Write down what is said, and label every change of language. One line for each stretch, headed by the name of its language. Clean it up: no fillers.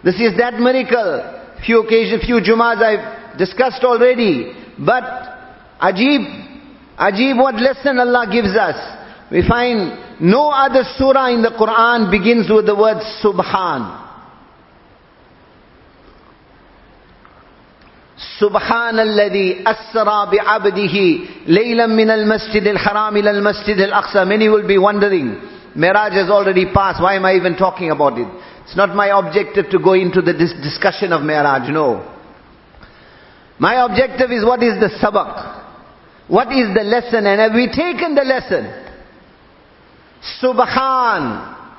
English: This is that miracle. Few occasions, few jumas I've discussed already. But, ajeeb, what lesson Allah gives us. We find no other surah in the Quran begins with the word Subhan.
Arabic: سبحان الذي أسرى بعبده ليلا من المسجد الحرام إلى المسجد الأقصى.
English: Many will be wondering, Miraj has already passed, why am I even talking about it? It's not my objective to go into the discussion of Miraj, no. My objective is, what is the sabak? What is the lesson? And have we taken the lesson? سبحان.